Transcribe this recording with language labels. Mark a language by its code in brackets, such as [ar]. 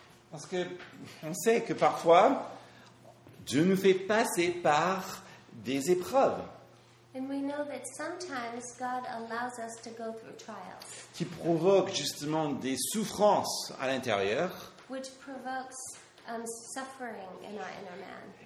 [fr] Parce que on sait que parfois Dieu nous fait passer par des épreuves. [en] And we know that sometimes God allows us to go through trials. [fr] Qui provoque justement des souffrances à l'intérieur. [en] Which provokes suffering in our inner man.